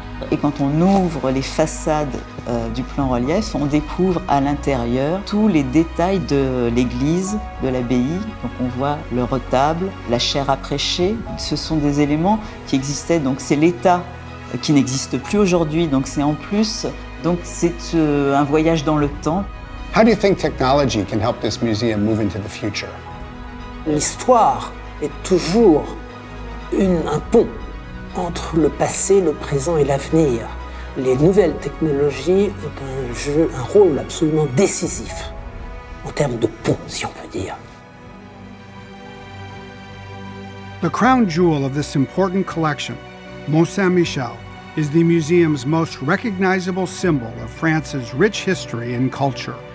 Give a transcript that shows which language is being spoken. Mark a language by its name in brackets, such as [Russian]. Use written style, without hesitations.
[French] Et quand on ouvre les façades du plan relief, on découvre à l'intérieur tous les détails de l'église, de l'abbaye. Donc on voit le retable, la chaire à prêcher. Ce sont des éléments qui existaient, donc c'est l'état qui n'existe plus aujourd'hui. Donc c'est en plus, donc c'est un voyage dans le temps. [English] How do you think technology can help this museum move into the future? [French] L'histoire est toujours un pont entre le passé, le présent et l'avenir. Les nouvelles technologies ont un rôle absolument décisif en termes de pont, si on peut dire. [English] The crown jewel of this important collection, Mont-Saint-Michel, is the museum's most recognizable symbol of France's rich history and culture.